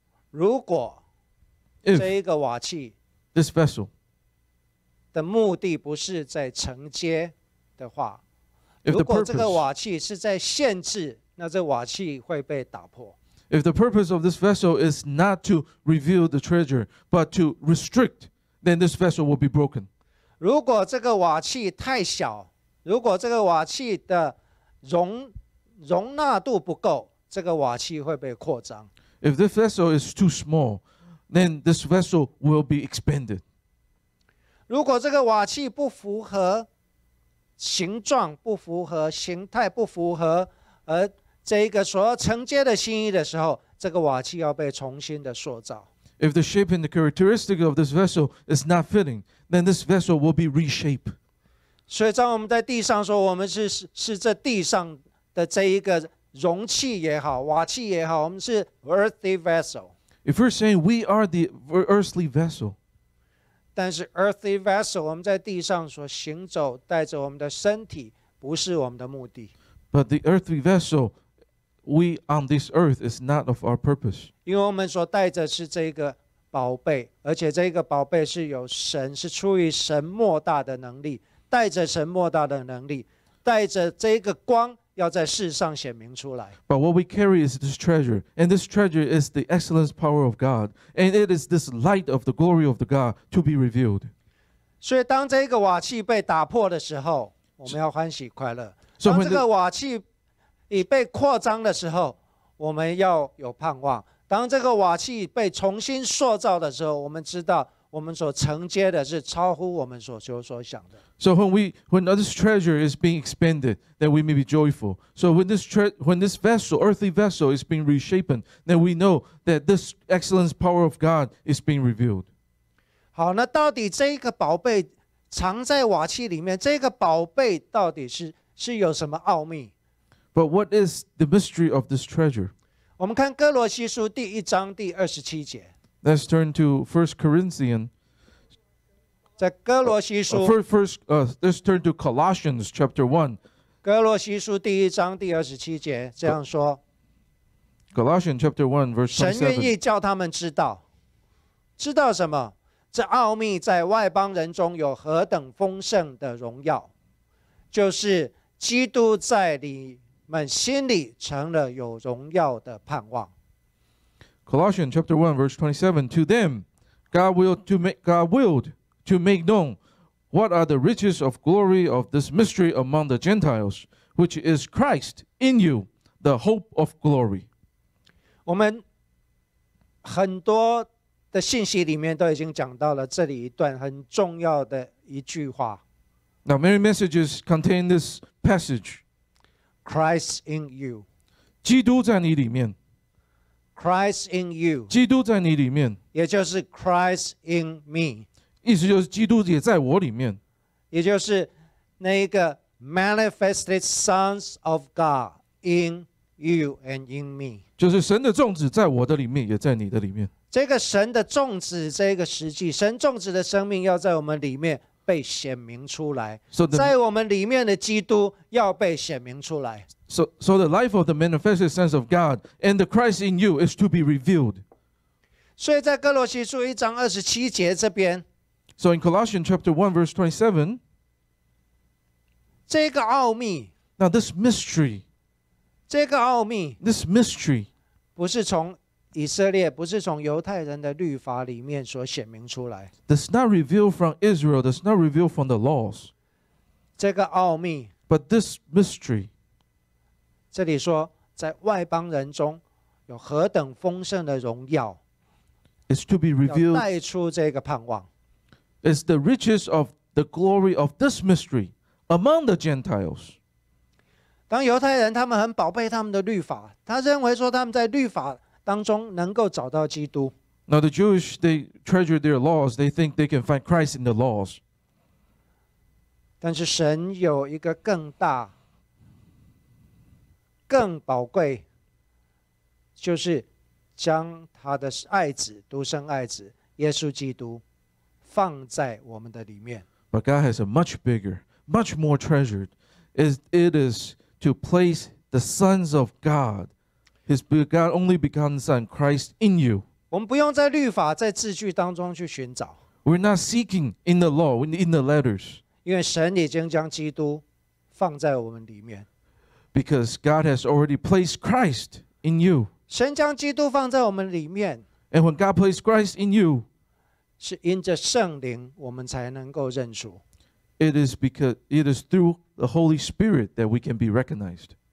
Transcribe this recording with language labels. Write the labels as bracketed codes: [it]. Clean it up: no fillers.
[zh] 如果这一个瓦器 [en] this vessel [zh] 的目的不是在承接的话， [en] if the purpose, [zh] 如果这个瓦器是在限制，那这瓦器会被打破。 [en] If the purpose of this vessel is not to reveal the treasure, but to restrict, then this vessel will be broken. [zh] 如果这个瓦器太小，如果这个瓦器的容纳度不够，这个瓦器会被扩张。 [en] If this vessel is too small, then this vessel will be expanded. [zh] 如果这个瓦器不符合形状，不符合形态，不符合而这个所要承接的心意的时候，这个瓦器要被重新的塑造。 [en] If the shape and the characteristic of this vessel is not fitting, then this vessel will be reshaped. [zh] 所以当我们在地上说，我们是这地上的这一个容器也好，瓦器也好，我们是 [en] earthy vessel. If we're saying we are the earthly vessel, [zh] 但是 [en] earthly vessel [zh] 我们在地上所行走，带着我们的身体，不是我们的目的。 [en] But the earthly vessel. We on this earth is not of our purpose. [zh] 因为我们所带着是这个宝贝，而且这个宝贝是有神，是出于神莫大的能力，带着神莫大的能力，带着这个光要在世上显明出来。 [en] But what we carry is this treasure, and this treasure is the excellence power of God, and it is this light of the glory of the God to be revealed. [zh] 所以当这个瓦器被打破的时候，我们要欢喜快乐。当这个瓦器已被扩张的时候，我们要有盼望。当这个瓦器被重新塑造的时候，我们知道我们所承接的是超乎我们所求所想的。 [en] So when this treasure is being expanded, then we may be joyful. So when this earthly vessel is being reshaped, then we know that this excellence power of God is being revealed. [zh] 好，那到底这个宝贝藏在瓦器里面这个宝贝到底 是有什么奥秘 [en] But what is the mystery of this treasure? [zh] 我们看哥罗西书第一章第二十七节 [en] Let's turn to 1 Corinthians [zh] 在哥罗西书 [en] Let's turn to Colossians chapter 1 [zh] 哥罗西书第一章第二十七节这样说 [en] Colossians chapter 1 verse 27 [zh] 神愿意叫他们知道知道什么这奥秘在外邦人中有何等丰盛的荣耀就是基督在你们心里成了有荣耀的盼望 [en] Colossians chapter 1 verse 27 To them God willed to make knownWhat are the riches of glory of this mystery among the Gentiles, which is Christ in you, the hope of glory? [zh] 我们很多的信息里面都已经讲到了这里一段很重要的一句话。 [en] Now many messages contain this passage. Christ in you. [zh] 基督在你里面。 [en] Christ in you. [zh] 基督在你里面。也就是 [en] Christ in me. [zh] 意思就是基督也在我里面也就是那一个 [en] manifested sons of God in you and in me [zh] 就是神的种子在我的里面也在你的里面这个神的种子这个实际神种子的生命要在我们里面被显明出来、 [en] so、the, [zh] 在我们里面的基督要被显明出来 [en] so the life of the manifested sons of God and the Christ in you is to be revealed [zh] 所以在哥罗西书一章二十七节这边 [en] So in Colossians chapter 1 verse 27, [zh] 这个奥秘 [en] Now this mystery, [zh] 这个奥秘 [en] This mystery, [zh] 不是从以色列不是从犹太人的律法里面所显明出来 [en] Does not reveal from Israel, does not reveal from the laws. [zh] 这个奥秘 [en] But this mystery, [zh] 这里说在外邦人中有何等丰盛的荣耀 [en] It's to be revealed. [zh] 要带出这个盼望 [en] Is the riches of the glory of this mystery among the Gentiles? [zh] 当犹太人他们很宝贝他们的律法，他认为说他们在律法当中能够找到基督。 [en] Now the Jewish they treasure their laws; they think they can find Christ in the laws. [zh] 但是神有一个更大、更宝贵，就是将他的爱子、独生爱子耶稣基督。放在我们的里面 [en] But God has a much bigger, much more treasured. It is to place the sons of God, His God, only begotten Son, Christ in you. [zh] 我们不用在律法、在字句当中去寻找 [en] We're not seeking in the law, in the letters. [zh] 因为神已经将基督放在我们里面 [en] Because God has already placed Christ in you. [zh] 神将基督放在我们里面 [en] And when God placed Christ in you, [zh] 是因着圣灵，我们才能够认出。 [en] It is because it is through the Holy Spirit that we can be recognized.